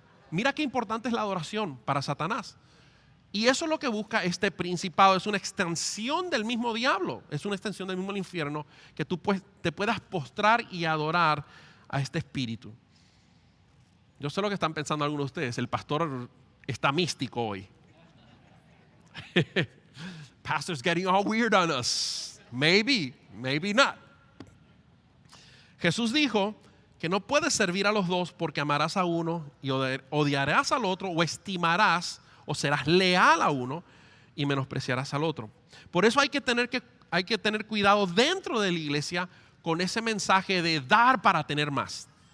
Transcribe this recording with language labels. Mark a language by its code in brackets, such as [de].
[es] Mira qué importante es la adoración para Satanás. Y eso es lo que busca este principado, es una extensión del mismo diablo, es una extensión del mismo infierno, que tú te puedas postrar y adorar a este espíritu. Yo sé lo que están pensando algunos de ustedes, el pastor está místico hoy. [en] Pastor's getting all weird on us. Maybe, maybe not. [es] Jesús dijo que no puedes servir a los dos porque amarás a uno y odiarás al otro, o estimarás o serás leal a uno y menospreciarás al otro. Por eso hay que tener cuidado dentro de la iglesia con ese mensaje de dar para tener más.